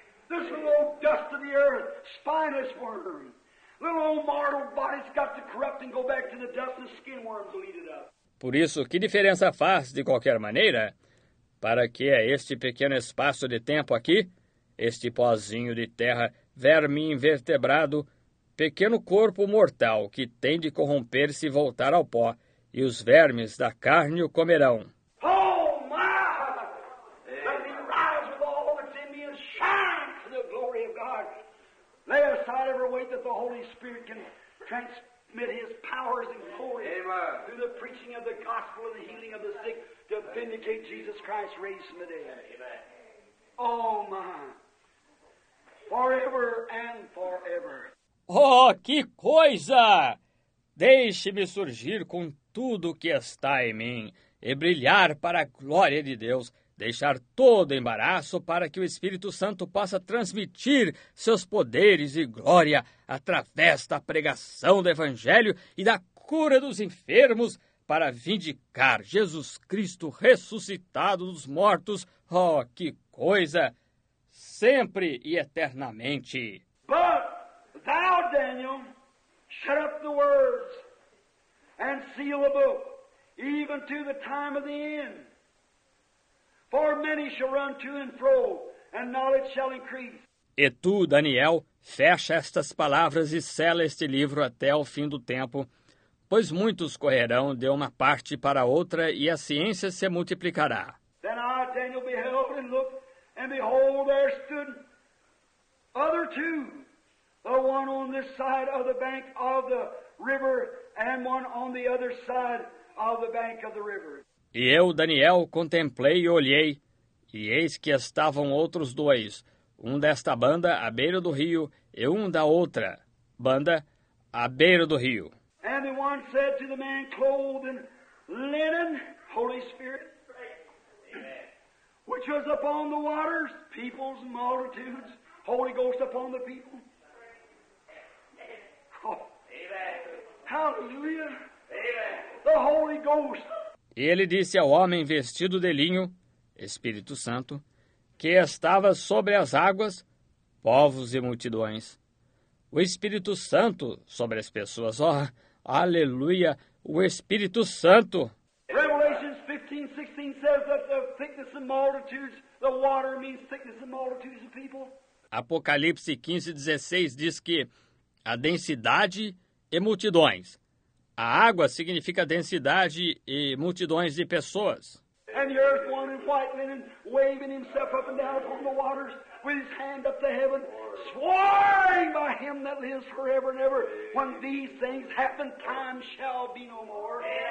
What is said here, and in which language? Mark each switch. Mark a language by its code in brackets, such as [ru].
[en] This little old dust of the earth, spineless worm. Little old mortal body's got to corrupt and go back to the dust and skin worms will eat it up. [pt] Por isso, que diferença faz, de qualquer maneira, para que é este pequeno espaço de tempo aqui, este pozinho de terra, verme invertebrado, pequeno corpo mortal que tem de corromper-se e voltar ao pó, e os vermes da carne o comerão. [en] Oh, my! Let me rise with all that's in me and shine to the glory of God. Lay aside every weight that the Holy Spirit can transmit his powers and glory. Amen. Through the preaching of the gospel and the healing of the sick to vindicate Jesus Christ raised from the dead. Amen. Oh, my! Forever and forever. [pt] Oh, que coisa! Deixe-me surgir com tudo que está em mim e brilhar para a glória de Deus, deixar todo embaraço para que o Espírito Santo possa transmitir seus poderes e glória através da pregação do Evangelho e da cura dos enfermos para vindicar Jesus Cristo ressuscitado dos mortos. Oh, que coisa! Sempre e eternamente. [en] But thou, Daniel, shut up the words and seal the book, even to the time of the end. For many shall run to and fro, and knowledge shall increase. [pt] E tu, Daniel, fecha estas palavras e sela este livro até o fim do tempo, pois muitos correrão de uma parte para outra e a ciência se multiplicará. [en] Then I, Daniel, beheld and looked, and behold, there stood other two, the one on this side of the bank of the river, and one on the other side of the bank of the river. [pt] E eu, Daniel, contemplei e olhei, e eis que estavam outros dois, um desta banda à beira do rio, e um da outra banda à beira do rio. [en] And the one said to the man clothed in linen, Holy Spirit, which was upon the waters, peoples and multitudes, Holy Ghost upon the people. Oh. Amen. Hallelujah. Amen. The Holy Ghost. [pt] E ele disse ao homem vestido de linho, Espírito Santo, que estava sobre as águas, povos e multidões. O Espírito Santo sobre as pessoas. Oh, aleluia, o Espírito Santo. [en] Revelations 15, 16 says that the thickness of multitudes, the water means thickness of multitudes of people. [pt] Apocalipse 15, 16 diz que a densidade e multidões. A água significa densidade e multidões de pessoas. [en] And the earth one in white linen, waving himself up and down upon the waters, with his hand up to heaven, swearing by him that lives forever and ever, when these things happen, time shall be no more.